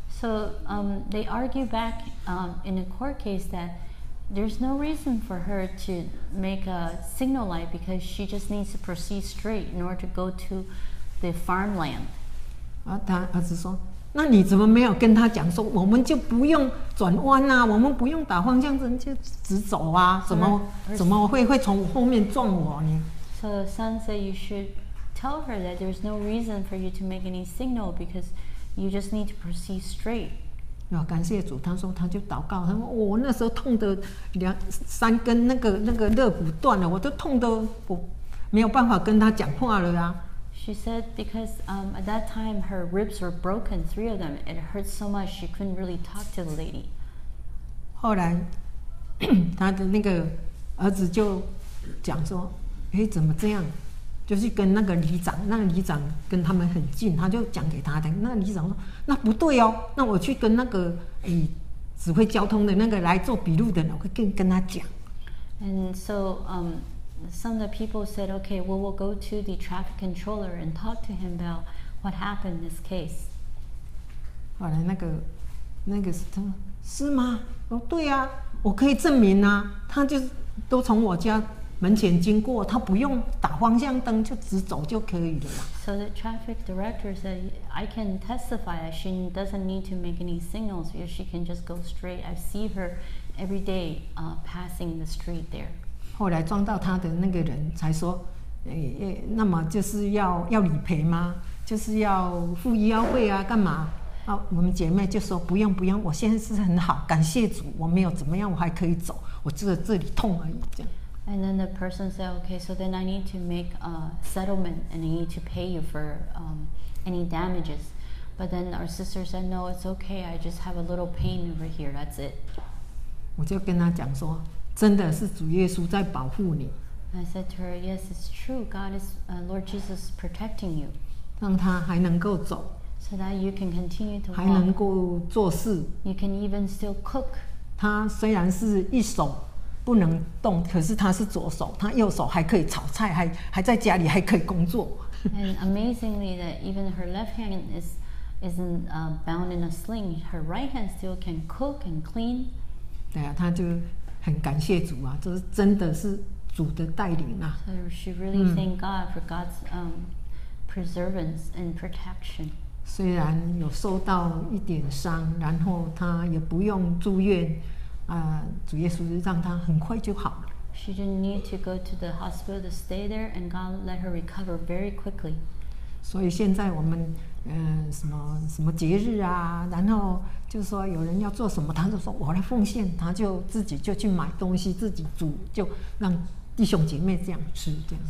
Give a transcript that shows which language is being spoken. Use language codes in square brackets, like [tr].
[en] So, they argue back, in a court case that there's no reason for her to make a signal light because she just needs to proceed straight in order to go to the farmland. [zh] 啊，他儿子说，那你怎么没有跟他讲说，我们就不用转弯啊，我们不用打方向灯就直走啊，怎么会从后面撞我呢？ [en] So the son said you should tell her that there's no reason for you to make any signal because you just need to proceed straight. [zh] 啊，感谢主，他说他就祷告，他说我那时候痛得三根那个肋骨断了，我都痛得我没有办法跟他讲话了啊。 [en] She said because at that time her ribs were broken, three of them. It hurt so much she couldn't really talk to the lady. [zh] 后来，他的那个儿子就讲说：“哎，怎么这样？” 就是跟那个里长，那个里长跟他们很近，他就讲给他的。那里长说：“那不对哦，那我去跟那个指挥交通的那个来做笔录的，我会跟他讲。” [en] And so some of the people said, okay, well, we'll go to the traffic controller and talk to him about what happened in this case. [zh] 后来那个是他是吗？哦，对呀，我可以证明啊，他就是都从我家门前经过，他不用打方向灯就直走就可以了。 [en] So the traffic director said, I can testify that she doesn't need to make any signals because she can just go straight. I see her every day passing the street there. [zh] 后来撞到他的那个人才说，那么就是要理赔吗？就是要付医药费啊，干嘛？啊，我们姐妹就说不用不用，我现在是很好，感谢主，我没有怎么样，我还可以走，我只有这里痛而已，这样。 [en] And then the person said, okay, so then I need to make a settlement and I need to pay you for any damages. But then our sister said, no, it's okay, I just have a little pain over here, that's it. [zh] 我就跟他讲说。真的是主耶稣在保护你。 [en] I said to her, "Yes, it's true. God is, Lord Jesus, protecting you." [zh] 让他还能够走。 [en] So that you can continue to walk. [zh] 还能够做事。 [en] You can even still cook. [zh] 他虽然是一手不能动，可是他是左手，他右手还可以炒菜，还在家里还可以工作。 [en] And amazingly, that even her left hand isn't bound in a sling. Her right hand still can cook and clean. [zh] 对啊，他就。很感谢主啊，这是真的是主的带领啊。 [en] So she really thank God for God's preservance and protection. [zh] 虽然有受到一点伤，然后她也不用住院，主耶稣让她很快就好了。 [en] She didn't need to go to the hospital to stay there, and God let her recover very quickly. [zh] 所以现在我们什么节日啊，然后就说有人要做什么，他就说我来奉献，他就自己就去买东西自己煮，就让弟兄姐妹这样吃，这样。